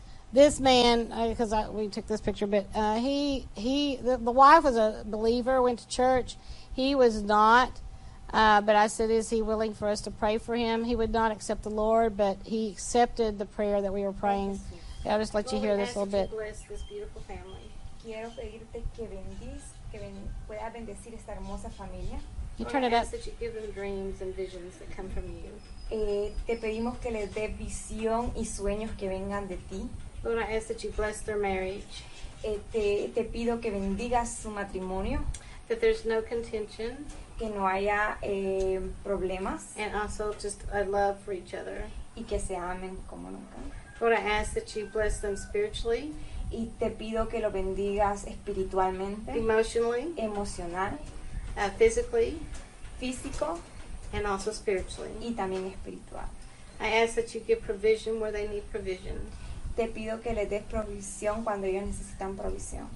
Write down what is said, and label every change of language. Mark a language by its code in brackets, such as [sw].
[en] This man, because we took this picture, but the wife was a believer, went to church. He was not, but I said, is he willing for us to pray for him? He would not accept the Lord, but he accepted the prayer that we were praying. I'll just let Lord, you hear this a little bit. Bless this beautiful family. [es] Quiero pedirte que bendiz, que ben, pueda bendecir esta hermosa familia. [en] You turn it up. Ask that you give them dreams and visions that come from you. [es] Te pedimos que les dé visión y sueños que vengan de ti. [en] Lord, I ask that you bless their marriage. [es] Te pido que bendigas su matrimonio. [en] That there's no contention. [es] Que no haya problemas. [en] And also just a love for each other. [es] Y que se amen como nunca. [en] Lord, I ask that you bless them spiritually. [es] Y te pido que lo bendigas espiritualmente. [en] Emotionally. [es] Emocional. [en] Physically. [es] Físico. [en] And also spiritually. [es] Y también espiritual. [en] I ask that you give provision where they need provision. [es] Te pido que les des provisión cuando ellos necesitan provisión.